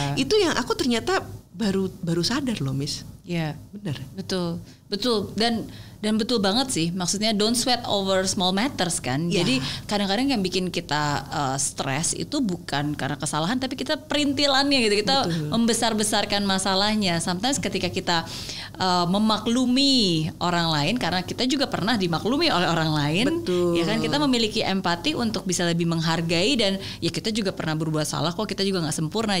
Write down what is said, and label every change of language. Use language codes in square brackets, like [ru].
[id] Itu yang aku ternyata baru sadar loh, Miss. Ya, benar. Betul. Dan betul banget sih. [en] Maksudnya don't sweat over small matters kan. [id] Ya. Jadi kadang-kadang yang bikin kita stres itu bukan karena kesalahan, tapi kita perintilannya gitu. Kita membesar-besarkan masalahnya. Sometimes ketika kita memaklumi orang lain, karena kita juga pernah dimaklumi oleh orang lain. Betul. Ya kan, kita memiliki empati untuk bisa lebih menghargai, dan ya kita juga pernah berbuat salah kok. Kita juga enggak sempurna.